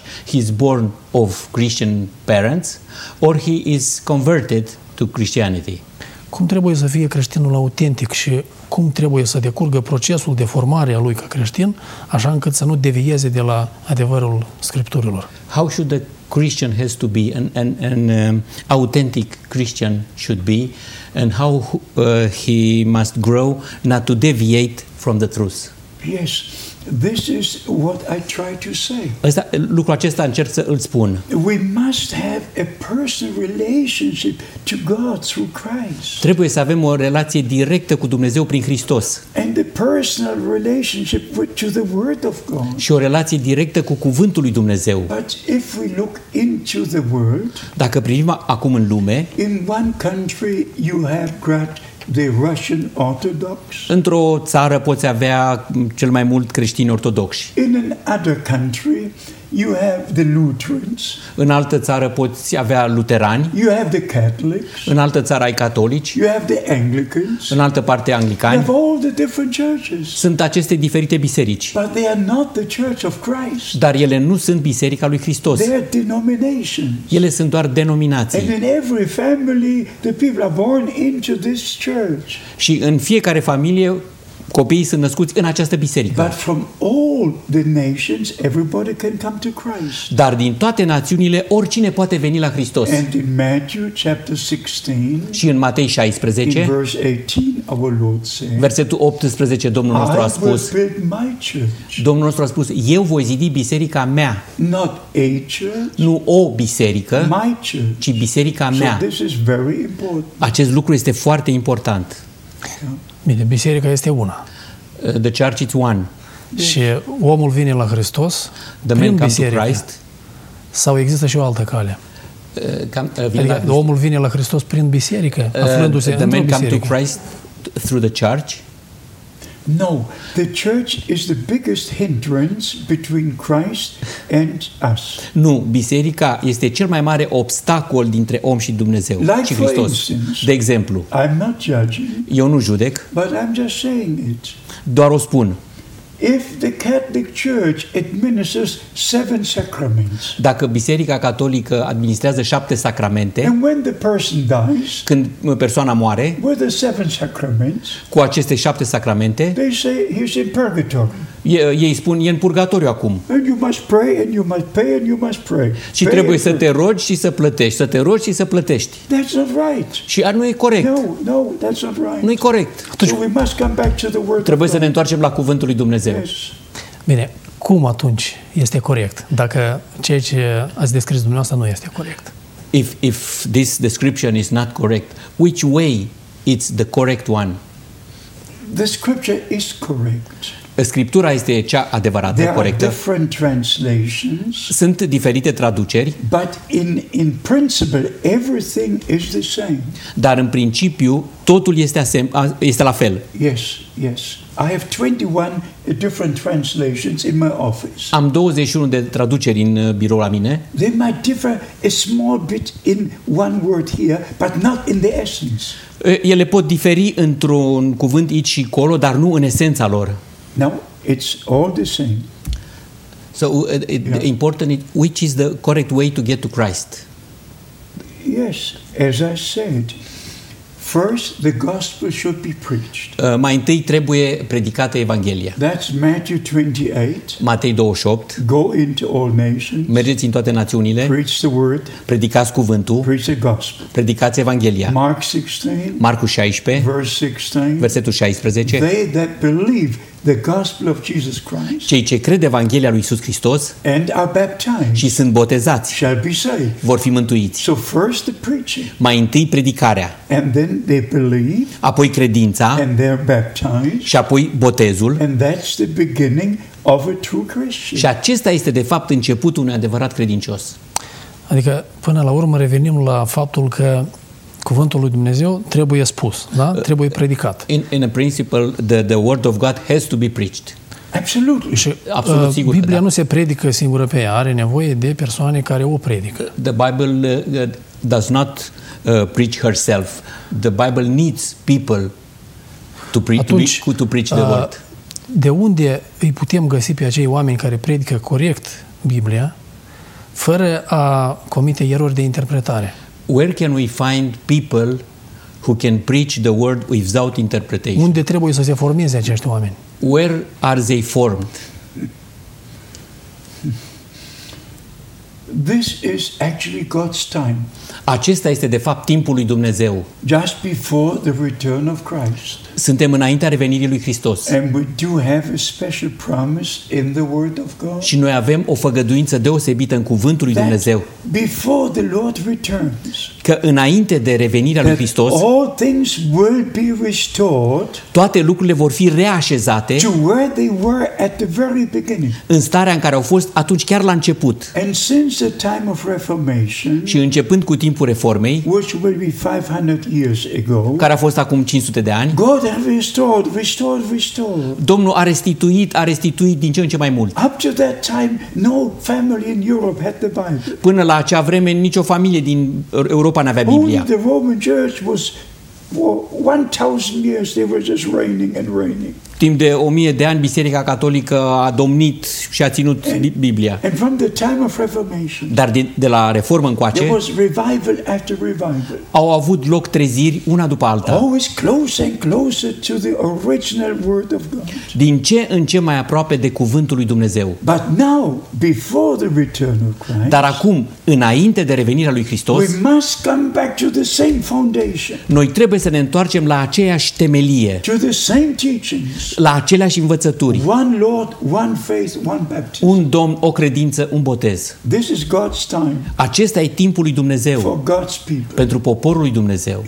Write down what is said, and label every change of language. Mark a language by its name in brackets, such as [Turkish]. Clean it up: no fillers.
[English] He's born of Christian parents or he is converted to Christianity. [Romanian] Cum trebuie să fie creștinul autentic și cum trebuie să decurgă procesul de formare a lui ca creștin, așa încât să nu devieze de la adevărul Scripturilor? [English] How should the Christian has to be an authentic Christian should be and how he must grow not to deviate from the truth? Yes, this is what I try to say. [Romanian] Asta, lucrul acesta încerc să îl spun. [English] We must have a personal relationship to God through Christ. [Romanian] Trebuie să avem o relație directă cu Dumnezeu prin Hristos. [English] And a personal relationship to the Word of God. [Romanian] Și o relație directă cu Cuvântul lui Dumnezeu. [English] But if we look into the world, [Romanian] dacă privim acum în lume, [English] in one country you have got the Russian Orthodox. [Romanian] Într-o țară poți avea cel mai mult creștini ortodoxi. [English] In another country you have the Lutherans. [Romanian] În altă țară poți avea luterani. [English] You have the Catholics. [Romanian] În altă țară ai catolici. [English] You have the Anglicans. [Romanian] În altă parte anglicani. [English] Of all the different churches. [Romanian] Sunt aceste diferite biserici. [English] But they are not the Church of Christ. [Romanian] Dar ele nu sunt biserica lui Hristos. [English] They are denominations. [Romanian] Ele sunt doar denominații. [English] And in every family the people are born into this church. [Romanian] Și în fiecare familie copiii sunt născuți în această biserică. [English] But from all the nations, everybody can come to Christ. [Romanian] Dar din toate națiunile, oricine poate veni la Hristos. [English] And in Matthew chapter 16, [Romanian] și în Matei 16, [English] in verse 18, our Lord said, [Romanian] versetul 18, Domnul nostru a spus, [English] I will build my church. [Romanian] Domnul nostru a spus, eu voi zidi biserica mea. [English] Not a church, [Romanian] nu o biserică, [English] my church. [Romanian] Ci biserica mea. [English] So this is very important. [Romanian] Acest lucru este foarte important. Bine, biserica este una. [English] The church is one. Yes. [Romanian] Și omul vine la Hristos [English] the [Romanian] prin [English] man [Romanian] biserică. [English] To Christ. [Romanian] Sau există și o altă cale? Adică omul vine la Hristos prin biserică, aflându-se într-o biserică. [English] The man come to Christ through the church? No, the church is the biggest hindrance between Christ and us. [Romanian] Nu, biserica este cel mai mare obstacol dintre om și Dumnezeu, [English] like [Romanian] și Hristos. [English] Instance, [Romanian] de exemplu. [English] I'm not judging. [Romanian] Eu nu judec. [English] But I'm just saying it. [Romanian] Doar o spun. [English] If the Catholic Church administers 7 sacraments. [Romanian] Dacă biserica catolică administrează 7 sacramente. [English] And when the person dies. [Romanian] Când persoana moare. [English] With the 7 sacraments. [Romanian] Cu aceste 7 sacramente. [English] They say he is in purgatory. [Romanian] Ei spun, e în purgatoriu acum. [English] And you must pray and you must pay and you must pray. [Romanian] Și trebuie să te rogi și să plătești, să te rogi și să plătești. [English] That's not right. [Romanian] Și nu e corect. [English] No, that's not right. [Romanian] Nu e corect. [English] So we must come back to the word. [Romanian] Trebuie să ne întoarcem la cuvântul lui Dumnezeu. [English] Yes. [Romanian] Bine, cum atunci este corect dacă ceea ce ați descris dumneavoastră nu este corect? [English] If this description is not correct, which way it's the correct one? The scripture is correct. [Romanian] Scriptura este cea adevărată, [English] there [Romanian] corectă. [English] Are different translations, [Romanian] sunt diferite traduceri. [English] But in principle, everything is the same. [Romanian] Dar în principiu, totul este la fel. [English] Yes, yes. I have 21 different translations in my office. [Romanian] Am 21 de traduceri în birou la mine. [English] They might differ a small bit in one word here, but not in the essence. [Romanian] Ele pot diferi într-un cuvânt aici și acolo, dar nu în esența lor. [English] No, it's all the same. So important is which is the correct way to get to Christ. Yes, as I said, First, the gospel should be preached. [Romanian] Mai întâi trebuie predicată Evanghelia. [English] That's Matthew 28. [Romanian] Matei 28. [English] Go into all nations. [Romanian] Mergeți în toate națiunile. [English] Preach the word. [Romanian] Predicați cuvântul. [English] Preach the gospel. [Romanian] Predicați Evanghelia. [English] Mark 16. [Romanian] Marcu 16. [English] Verse 16. [Romanian] Versetul 16. [English] They that believe the gospel of Jesus Christ. [Romanian] Cei ce cred Evanghelia lui Iisus Hristos [English] and are baptized. [Romanian] Și sunt botezați. [English] Shall be saved. [Romanian] Vor fi mântuiți. [English] So first the preaching. [Romanian] Mai întâi predicarea. [English] And then they believe. [Romanian] Apoi credința. [English] And they are baptized. [Romanian] Și apoi botezul. [English] And that's the beginning of a true Christian. [Romanian] Și acesta este de fapt începutul unui adevărat credincios. Adică până la urmă revenim la faptul că Cuvântul lui Dumnezeu trebuie spus, da? Trebuie predicat. [English] In a principle, the word of God has to be preached. Absolutely. [Romanian] Și, absolut sigur. Biblia nu se predică singură pe ea, are nevoie de persoane care o predică. [English] The Bible does not preach herself. The Bible needs people to preach the word. [Romanian] De unde îi putem găsi pe acei oameni care predică corect Biblia fără a comite erori de interpretare? [English] Where can we find people who can preach the word without interpretation? [Romanian] Unde trebuie să se formeze acești oameni? [English] Where are they formed? This is actually God's time. [Romanian] Acesta este de fapt timpul lui Dumnezeu. [English] Just before the return of Christ. [Romanian] Suntem înaintea revenirii lui Hristos. [English] And we do have a special promise in the word of God. [Romanian] Și noi avem o făgăduință deosebită în cuvântul lui Dumnezeu. [English] Before the Lord returns. [Romanian] Că înainte de revenirea lui Hristos. [English] All things will be restored. [Romanian] Toate lucrurile vor fi reașezate. [English] To where they were at the very beginning. [Romanian] În starea în care au fost atunci chiar la început. [English] And since the time of Reformation. [Romanian] Și începând cu timpul reformei, [English] which will be 500 years ago, [Romanian] care a fost acum 500 de ani, [English] God has restored, restored, restored. [Romanian] Domnul a restituit din ce în ce mai mult. [English] Up to that time, no family in Europe had the Bible. [Romanian] Până la acea vreme, nicio familie din Europa n-avea Biblia. [English] Only the Roman Church was for 1,000 years they were just reigning and reigning. [Romanian] Timp de 1000 de ani Biserica Catolică a domnit și a ținut Biblia. [English] And from the time of Reformation, [Romanian] dar de la reformă încoace, [English] there was revival after revival. [Romanian] Au avut loc treziri una după alta. [English] Always closer and closer to the original word of God. [Romanian] Din ce în ce mai aproape de cuvântul lui Dumnezeu. [English] But now, before the return of Christ, [Romanian] dar acum, înainte de revenirea lui Hristos, [English] we must come back to the same foundation. [Romanian] Noi trebuie să ne întoarcem la aceeași temelie. [English] To the same teaching. [Romanian] La aceleași învățături. [English] One Lord, one faith, one baptism. [Romanian] Un Domn, o credință, un botez. [English] This is God's time. [Romanian] Acesta e timpul lui Dumnezeu. [English] For God's people. [Romanian] Pentru poporul lui Dumnezeu.